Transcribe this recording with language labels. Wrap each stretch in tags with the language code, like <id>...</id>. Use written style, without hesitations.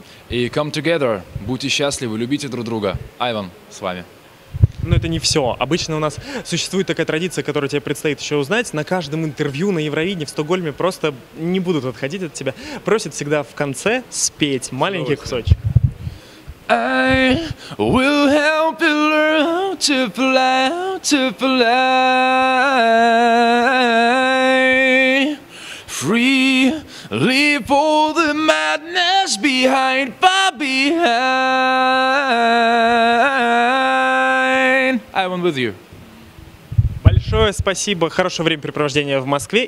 <ru>И</ru> <en>come together,</en> <ru>будьте счастливы, любите друг друга. Ivan с вами. Но это не все. Обычно у нас существует такая традиция, которую тебе предстоит еще узнать. На каждом интервью на Евровидении в Стокгольме просто не будут отходить от тебя. Просят всегда в конце спеть маленький кусочек.</ru> <en>I will help you learn to fly, to fly. Free, leave all the madness behind, far behind. Ivan with you.</en> <ru>Большое спасибо, хорошего времяпрепровождения в Москве и</ru>